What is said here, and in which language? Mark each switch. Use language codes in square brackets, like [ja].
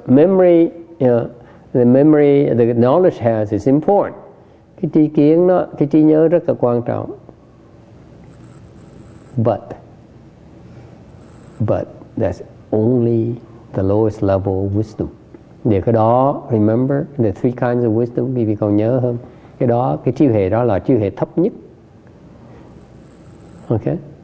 [en] Memory, the memory, the knowledge has is important. [vi] Cái trí kiến nó, cái trí nhớ rất là quan trọng. [en] But that's only the lowest level of wisdom. [vi] Để cái đó, [en] remember, the three kinds of wisdom, [vi] quý vị còn nhớ không? Cái đó, cái trí huệ đó là trí huệ thấp nhất. [en] Okay?